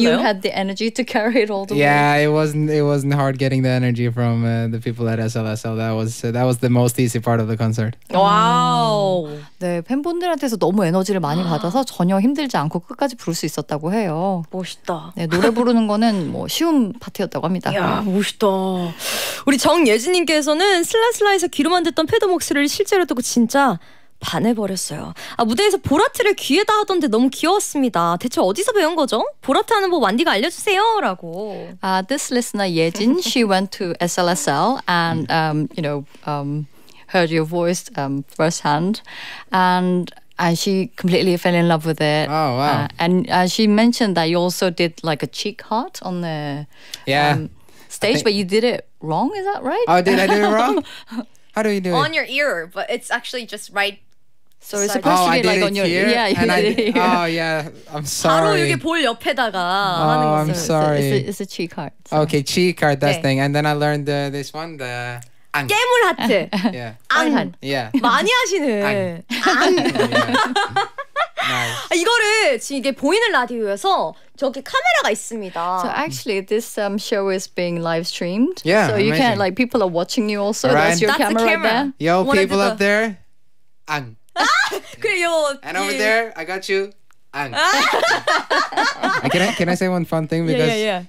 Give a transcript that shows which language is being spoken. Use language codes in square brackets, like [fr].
[en] And you had the energy to carry it all the way. Yeah, it wasn't hard getting the energy from the people at SLSL. That was the most easy part of the concert. Wow. [ko] 네, 팬분들한테서 너무 에너지를 많이 받아서 전혀 힘들지 않고 끝까지 부를 수 있었다고 해요. 멋있다. 네, 노래 부르는 거는 뭐 쉬운 파트였다고 합니다. 야, 멋있다. 우리 정예진님께서는 슬라슬라에서 귀로만 듣던 패드 목소리를 실제로 듣고 진짜 반해버렸어요. 아, 무대에서 보라트를 귀에다 하던데 너무 귀여웠습니다. 대체 어디서 배운 거죠? 보라트 하는 법 완디가 알려주세요. 라고. [en] This listener, 예진, she went to SLSL and, you know, heard your voice firsthand. And she completely fell in love with it. Oh, wow. And she mentioned that you also did like a cheek heart on the stage, but you did it wrong. Is that right? Oh, did I do it wrong? How do you do it? On your ear, but it's actually just right. So it's supposed to be like on your ear. Yeah, you did it here. Oh, yeah. I'm sorry. [ko] 바로 여기 볼 옆에다가 하는 거죠. [en] Oh, I'm sorry. It's a cheek heart. So. Okay, cheek heart, that thing. And then I learned this one, the 앙. [ko] 깨물 하트. [en] Yeah. 앙. Yeah. [ko] 많이 하시네. 앙. 아, 이거를 지금 이게 보이는 라디오여서 저기 카메라가 있습니다. [en] So actually this show is being live streamed. Yeah, so you can, like, people are watching you also. That's your camera right there. Yo, people up there. 앙. [ko] 아, 그래요. [en] And over there, I got you. 앙. can I say one fun thing? Because, yeah.